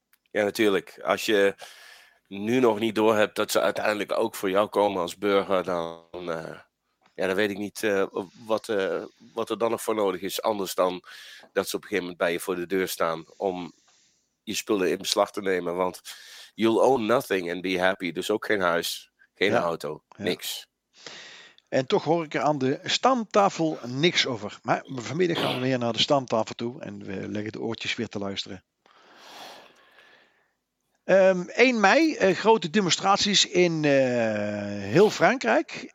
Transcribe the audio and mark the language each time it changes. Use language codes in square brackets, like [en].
[nl] Ja, natuurlijk. Als je nu nog niet doorhebt dat ze uiteindelijk ook voor jou komen als burger, dan weet ik niet wat er dan nog voor nodig is. Anders dan dat ze op een gegeven moment bij je voor de deur staan om je spullen in beslag te nemen. Want [en] you'll own nothing and be happy. [nl] Dus ook geen huis, geen auto, niks. Ja. En toch hoor ik er aan de stamtafel niks over. Maar vanmiddag gaan we weer naar de stamtafel toe. En we leggen de oortjes weer te luisteren. 1 mei, grote demonstraties in heel Frankrijk.